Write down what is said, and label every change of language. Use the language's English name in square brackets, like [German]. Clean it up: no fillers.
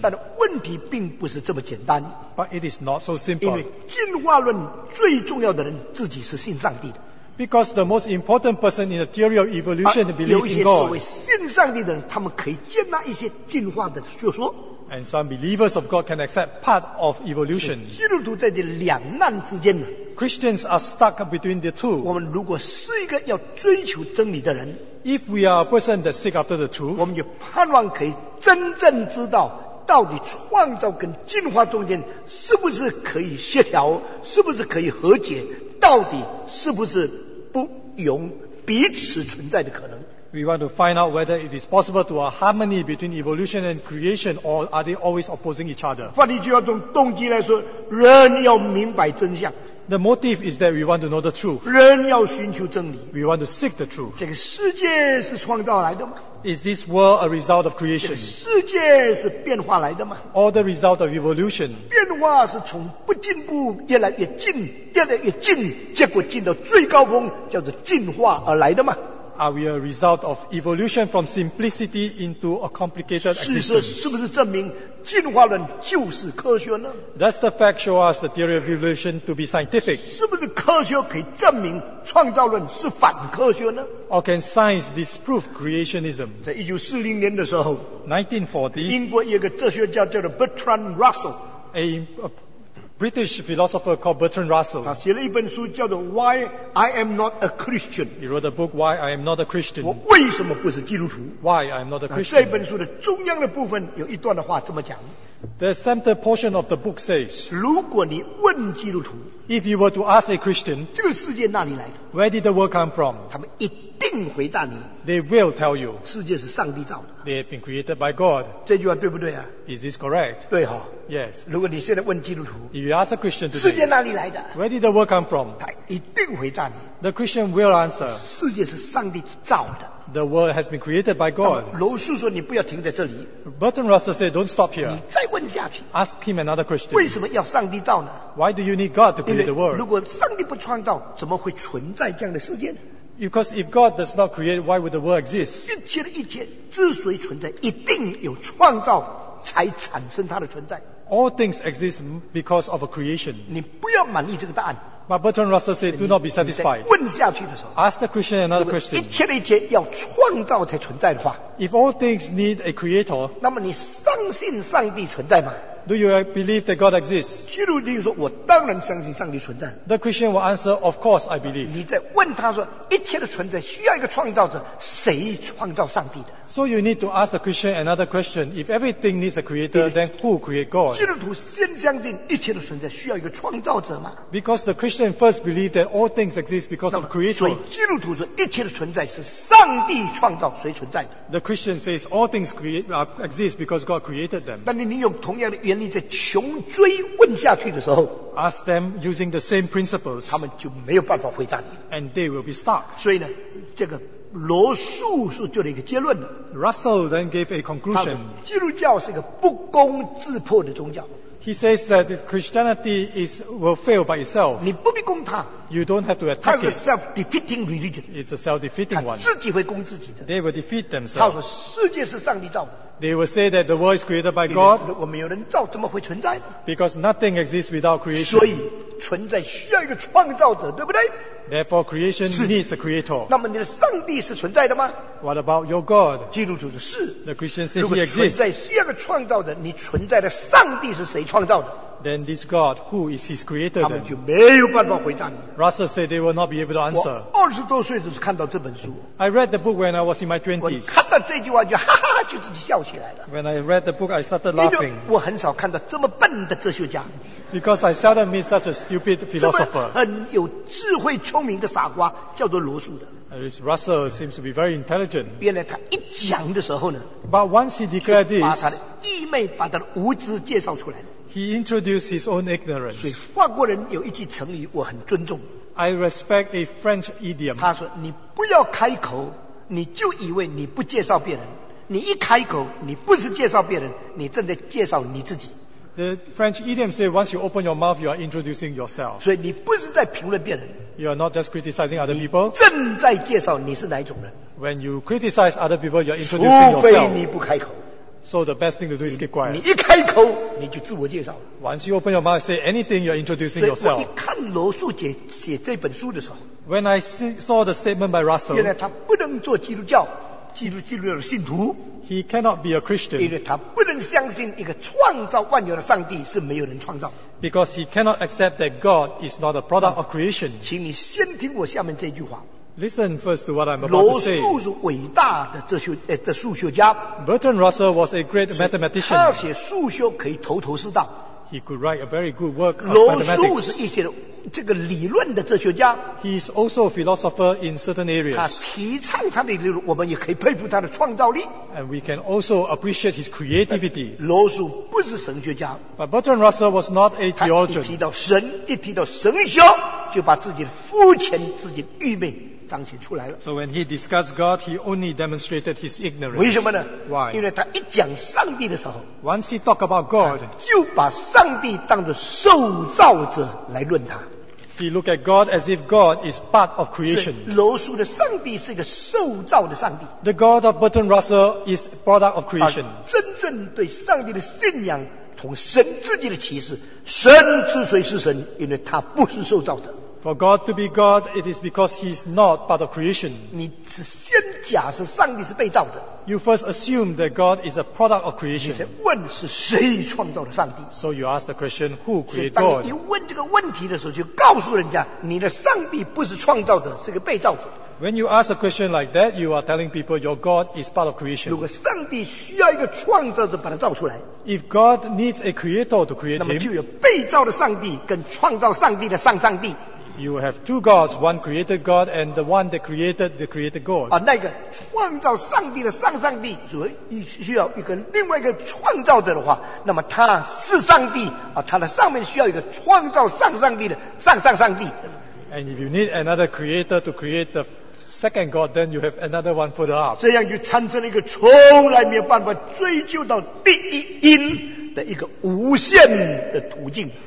[Chinese] 但问题并不是这么简单。 [English] But it is not so simple. [Chinese] 因为进化论最重要的人自己是信上帝的。 [English] Because the most important person in the theory of evolution believes in God. [Chinese] 有一些所谓信上帝的人，他们可以接纳一些进化的学说。 [English] And some believers of God can accept part of evolution. [Chinese] 基督徒在这两难之间呢。 [English] Christians are stuck between the two. [Chinese] 我们如果是一个要追求真理的人。 [English] If we are a person that seek after the truth, [Chinese] 我们就盼望可以真正知道到底创造跟进化中间是不是可以协调，是不是可以和解，到底是不是不容彼此存在的可能。 [English] We want to find out whether it is possible to have harmony between evolution and creation, or are they always opposing each other? [Chinese] 换句话从动机来说，人要明白真相。 [English] The motive is that we want to know the truth. [Chinese] 人要寻求真理。 [English] We want to seek the truth. [Chinese] 这个世界是创造来的吗？ [English] Is this world a result of creation? [Chinese] 这个世界是变化来的吗？ [English] Or the result of evolution? [Chinese] 变化是从不进步越来越进，越来越进，结果进到最高峰，叫做进化而来的吗？ [English] Are we a result of evolution from simplicity into a complicated existence? [Chinese] 事实是不是证明进化论就是科学呢？ [English] Does the fact show us the theory of evolution to be scientific? [Chinese] 是不是科学可以证明创造论是反科学呢？ [English] Or can science disprove creationism? [Chinese] 在1940年的时候， [English] 1940, [Chinese] 英国有个哲学家叫做 Bertrand Russell， [English] a British philosopher called Bertrand Russell. [Chinese] 他写了一本书叫做 [English] Why I am not a Christian. He wrote a book Why I am not a Christian. [Chinese] 我为什么不是基督徒？ [English] Why I am not a Christian. [Chinese] 这本书的中央的部分有一段的话这么讲。 [English] The center portion of the book says, [Chinese] 如果你问基督徒， [English] If you were to ask a Christian, [Chinese] 这个世界哪里来的？ [English] Where did the world come from? [Chinese] 他们一定回答你， [English] They will tell you, [Chinese] 世界是上帝造的。 [English] They have been created by God. [Chinese] 这句话对不对啊？ [English] Is this correct? [Chinese] 对哈。 [English] Yes. [Chinese] 如果你现在问基督徒， [English] If you ask a Christian today, [Chinese] 世界哪里来的？ [English] Where did the world come from? [Chinese] 他一定回答你， [English] The Christian will answer, [Chinese] 世界是上帝造的。 [English] The world has been created by God. [Chinese] 罗素说你不要停在这里。 [English] Bertrand Russell said, "Don't stop here." [Chinese] 你再问下去。 [English] Ask him another question. [Chinese] 为什么要上帝造呢？ [English] Why do you need God to create the world? [Chinese] 如果上帝不创造，怎么会存在这样的世界呢？ [English] Because if God does not create, why would the world exist? [Chinese] 一切的一切之所以存在，一定有创造才产生它的存在。 [English] All things exist because of a creation. [Chinese] 你不要满意这个答案。 [English] But Bertrand Russell said, do not be satisfied. [Chinese] 问下去的时候， [English] ask the Christian another question. [Chinese] 一切的一切要创造才存在的话， [English] if all things need a creator, [Chinese] 那么你相信上帝存在吗？ [English] Do you believe that God exists? [Chinese] 基督徒说，我当然相信上帝存在。 [English] The Christian will answer, of course I believe. [Chinese] 你再问他说，一切的存在需要一个创造者，谁创造上帝的？ [English] So you need to ask the Christian another question. If everything needs a creator, then who created God? [Chinese] 基督徒先相信一切的存在需要一个创造者吗？ [English] Because the Christian first believed that all things exist because of the creator. [Chinese] 所以基督徒说，一切的存在是上帝创造，谁存在的？ [English] The Christian says all things exist because God created them. [Chinese] 但你用同样的原你在穷追问下去的时候， [English] ask them using the same principles， [Chinese] 他们就没有办法回答你， [English] and they will be stuck。 [Chinese] 所以呢，这个罗素是做了一个结论的。 [English] Russell then gave a conclusion。 [Chinese] 基督教是一个不攻自破的宗教。 [English] He says that Christianity will fail by itself。 [Chinese] 你不必攻它， [English] you don't have to attack it。 [Chinese] 它是 [English] self-defeating religion。 It's a self-defeating one。 [Chinese] 自己会攻自己的。 [English] They will defeat themselves。 [Chinese] 他说世界是上帝造的。 [English] They will say that the world is created by God. [Chinese] 如果没有人造，怎么会存在？ [English] Because nothing exists without creation. [Chinese] 所以存在需要一个创造者，对不对？ [English] Therefore, creation needs a creator. [Chinese] 那么你的上帝是存在的吗？ [English] What about your God? [Chinese] 基督徒说是。 [English] The Christian says he exists. [Chinese] 如果存在需要一个创造者，你存在的上帝是谁创造的？ [English] Then this God, who is his creator? [Chinese] 他们就没有办法回答你。 [English] Russell said they will not be able to answer. [Chinese] 我二十多岁就看到这本书。 [English] I read the book when I was in my twenties. [Chinese] 我看到这句话就哈哈就自己笑起来了。 [English] When I read the book, I started laughing. [Chinese] 我很少看到这么笨的哲学家。 [English] Because I seldom meet such a stupid philosopher. [Chinese] 很有智慧聪明的傻瓜叫做罗素的。 [English] This Russell seems to be very intelligent. [Chinese] 原来他一讲的时候呢， [English] But once he declared this, [Chinese] 把他的愚昧，把他的无知介绍出来了。 [English] He introduced his own ignorance. [Chinese] 所以法国人有一句成语我很尊重。 [English] I respect a French idiom. [Chinese] 他说你不要开口你就以为你不介绍别人。你一开口你不是介绍别人你正在介绍你自己。 [English] The French idiom says, once you open your mouth, you are introducing yourself. [Chinese] 所以你不是在评论别人。 [English] You are not just criticizing other people. [Chinese] 你正在介绍你是哪一种人。 [English] When you criticize other people, you are introducing yourself. [Chinese] 除非你不开口。 [English] So the best thing to do is keep quiet. [Chinese] 你一开口你就自我介绍了。 [English] Once you open your mouth, say anything, you are introducing yourself. [Chinese] 所以我一看罗素姐写这本书的时候。 [English] When I saw the statement by Russell. [Chinese] 原来他不能做基督教。基督的信徒 [English] He cannot be a Christian. [Chinese] 因为他不能相信一个创造万有的上帝是没有人创造。 [English] Because he cannot accept that God is not a product of creation. [Chinese] 请你先听我下面这句话。 [English] Listen first to what I'm about to say. [Chinese] 罗素是伟大的哲学的数学家。 [English] Bertrand Russell was a great mathematician. [Chinese] 他写数学可以头头是道。 [English] He could write a very good work of mathematics. [Chinese] 罗素是一些这个理论的哲学家。 [English] He is also a philosopher in certain areas. [Chinese] 他提倡他的理论，我们也可以佩服他的创造力。 [English] And we can also appreciate his creativity. [Chinese] 罗素不是神学家。 [English] But Bertrand Russell was not a theologian. [Chinese] 他一提到神，一提到神学，就把自己的肤浅、自己的愚昧彰显出来了。 [English] So when he discussed God, he only demonstrated his ignorance. [Chinese] 为什么呢 [English] ？Why? [Chinese] 因为他一讲上帝的时候 [English] ，Once he talked about God, [Chinese] 就把上帝当作受造者来论他。 [English] He looked at God as if God is part of creation. [Chinese] 罗素的上帝是一个受造的上帝。 [English] The God of Bertrand Russell is product of creation. [Chinese] 真正对上帝的信仰同神自己的启示，神之所以是神，因为他不是受造者。 [English] For God to be God, it is because He is not part of creation. [Chinese] 你只先假设上帝是被造的。 [English] You first assume that God is a product of creation. [Chinese] 你先问是谁创造的上帝。 [English] So you ask the question, who created God? [Chinese] 所以当你问这个问题的时候，就告诉人家，你的上帝不是创造者，是个被造者。 [English] When you ask a question like that, you are telling people your God is part of creation. [Chinese] 如果上帝需要一个创造者把它造出来。 [English] If God needs a creator to create him. [Chinese] 那么就有被造的上帝跟创造上帝的上上帝。 [English] You have two gods, one created God and the one that created the created God. [Chinese] 那个创造上帝的上上帝，所以需要一个另外一个创造者的话，那么他是上帝啊，他的上面需要一个创造上上帝的上上上帝。 [English] And if you need another creator to create the second God, then you have another one further up. [Chinese] 这样就产生了一个从来没有办法追究到第一因的一个无限的途径。